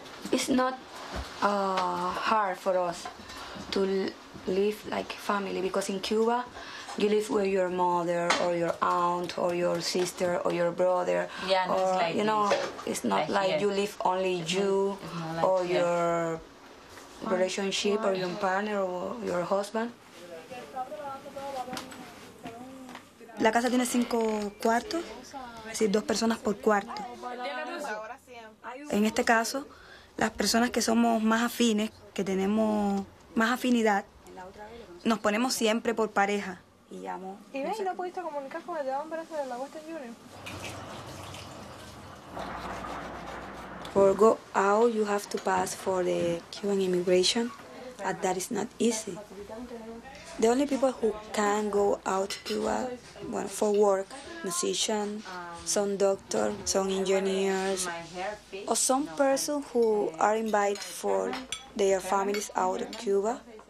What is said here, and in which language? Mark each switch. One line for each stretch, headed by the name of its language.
English: It's not hard for us to live like family, because in Cuba, you live with your mother or your aunt or your sister or your brother. Yeah, or, it's like you know, it's not like you live only your relationship or your partner or your husband.
Spanish: La casa tiene 5 cuartos, es decir, 2 personas por cuarto. En este caso, las personas que somos más afines, que tenemos más afinidad, nos ponemos siempre por pareja. Y llamo. Y ves, no pudiste comunicar con el de hombres de la Western Union.
English: For go out, you have to pass for the Cuban immigration, and that is not easy. The only people who can go out to Cuba, well, for work, musicians, some doctors, some engineers, or some person who are invited for their families out of Cuba.